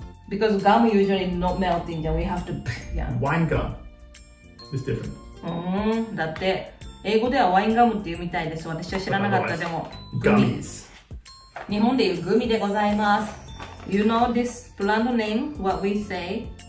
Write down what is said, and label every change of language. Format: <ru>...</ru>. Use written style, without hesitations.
<en>Because gum usually not melting, then we have to Wine gum is different</en> <ja>だって英語ではワインガムっていうみたいです。私は知らなかった。でも</ja> <en>グミ、Gummies.</en> <ja>日本でいうグミでございます。</ja> <en>You know this brand name, what we say?</en>